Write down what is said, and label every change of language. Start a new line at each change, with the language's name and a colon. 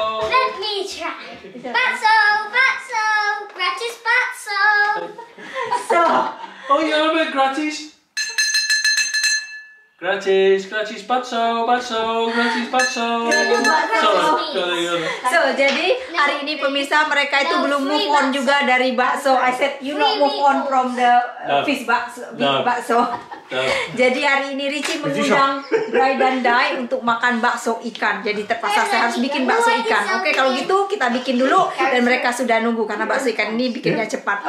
English: Let me try. Bakso,
Indonesian: gratis bakso.
English: So, oh yeah, I'm gratis.
Indonesian: Gratis bakso. So, jadi hari ini pemirsa mereka itu belum
English: move on
Indonesian: juga dari bakso.
English: I said you not move on from the fish bakso.
Indonesian: Jadi hari ini Richie mengundang Bri dan Dai untuk makan bakso ikan. Jadi terpaksa saya harus bikin bakso ikan. Oke, kalau gitu kita bikin dulu dan mereka sudah nunggu karena bakso ikan ini bikinnya cepat.